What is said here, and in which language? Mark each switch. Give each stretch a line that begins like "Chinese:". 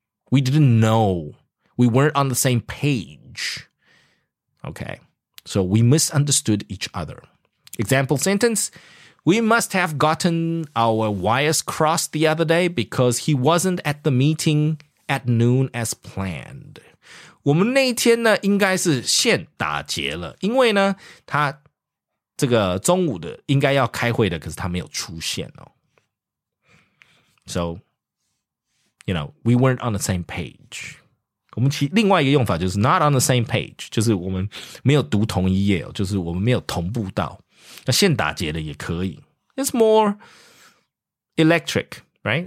English: We didn't know. We weren't on the same page. Okay, so we misunderstood each other. Example sentence, we must have gotten our wires crossed the other day because he wasn't at the meeting at noon as planned.
Chinese: 我们那一天呢，应该是线打结了，因为呢，他这个中午的应该要开会的，可是他没有出现哦。
English: So, you know, we weren't on the same page.
Chinese: 我们另外一个用法就是
English: not on the same page,
Chinese: 就是我们没有读同一页，就是我们没有同步到。那线打结的也可以。
English: It's more electric, right?